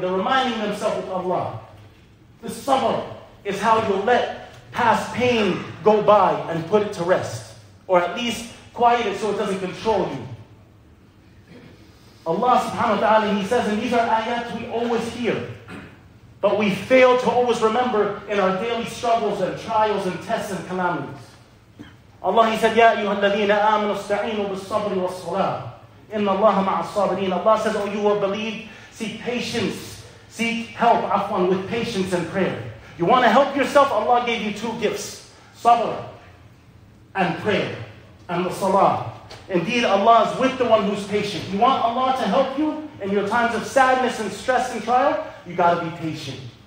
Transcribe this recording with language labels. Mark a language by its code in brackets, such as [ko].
[en] They're reminding themselves of Allah. The sabr is how you let past pain go by and put it to rest. Or at least quiet it so it doesn't control you. Allah subhanahu wa ta'ala, He says, and these are ayat we always hear, but we fail to always remember in our daily struggles and trials and tests and calamities. Allah, He said, [ar] يَا أَيُّهَا الَّذِينَ آمَنُوا اسْتَعِينُوا بِالصَّبْرِ وَالصَّلَاةِ إِنَّ اللَّهَ مَعَ الصَّابِرِينَ. [en] Allah says, oh, you who believe, seek patience, seek help, afwan, with patience and prayer. You want to help yourself? Allah gave you two gifts, sabr and prayer and the salah. Indeed, Allah is with the one who's patient. You want Allah to help you in your times of sadness and stress and trial? You got to be patient.